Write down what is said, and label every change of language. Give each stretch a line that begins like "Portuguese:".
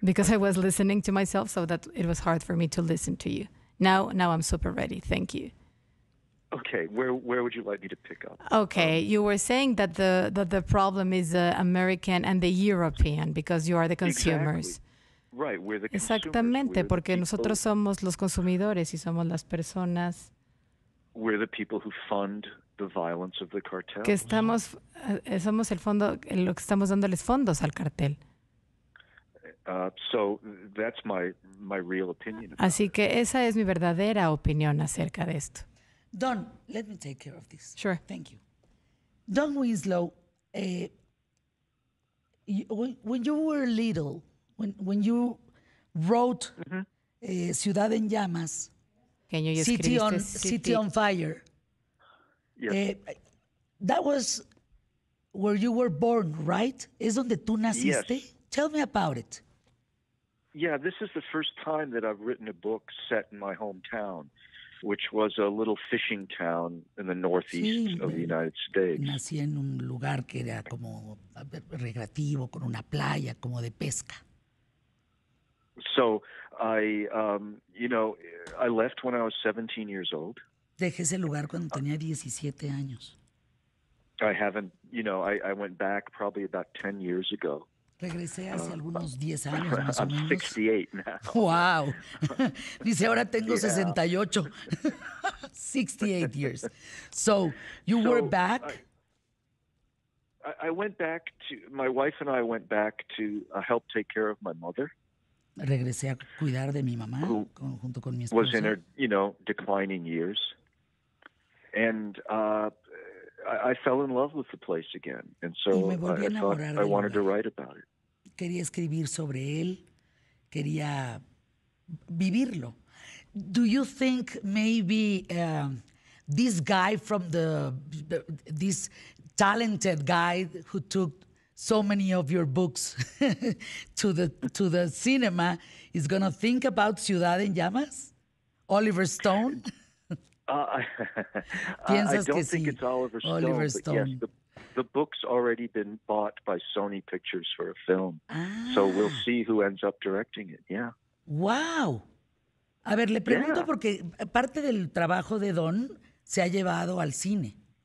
English: Because I was listening to myself so that it was hard for me to listen to you. Now I'm super ready. Thank you. Okay, where would you like me to pick up? Okay, you were saying that the problem is the American and the European because you are the consumers. Exactly. Right, we're the consumers.
Spanish: Exactamente,
English: we're
Spanish: porque nosotros somos los consumidores y somos las personas
English: we're the people who fund the violence of the cartels.
Spanish: Que estamos, somos el fondo, lo que estamos dándoles fondos al cartel.
English: So that's my real opinion.
Spanish: Así que esa es mi verdadera opinión acerca de esto.
English: Don, let me take care of this. Sure. Thank you. Don Winslow, when you were little, When you wrote Ciudad en Llamas, City on Fire, yes. That was where you were born, right?
Spanish: Es donde tú naciste.
English: Yes. Tell me about it. Yeah, this is the first time that I've written a book set in my hometown, which was a little fishing town in the northeast of the United States.
Spanish: Nací en un lugar que era como recreativo, con una playa, como de pesca.
English: So I, you know, I left when I was 17 years old.
Spanish: Dejé ese lugar cuando tenía 17 años.
English: I haven't, you know, I went back probably about 10 years ago.
Spanish: Regresé hace algunos 10 años más o menos.
English: I'm 68 now.
Spanish: Wow. Dice, ahora tengo 68.
English: 68 years. So you were back? I went back to, my wife and I went back to help take care of my mother.
Spanish: Regresé a cuidar de mi mamá junto con mi esposa.
English: Was in her, you know, declining years. And I fell in love with the place again. And so
Spanish: y me volví a enamorar
English: I wanted to write about it.
Spanish: Quería escribir sobre él. Quería vivirlo.
English: Do you think maybe this guy from the... this talented guy who took... so many of your books to the cinema is going to think about Ciudad en Llamas? Oliver Stone? I don't think it's Oliver Stone. The book's already been bought by Sony Pictures for a film. Ah. So we'll see who ends up directing it. Yeah. Wow.
Spanish: A ver, le pregunto porque parte del trabajo de Don se ha llevado al cine.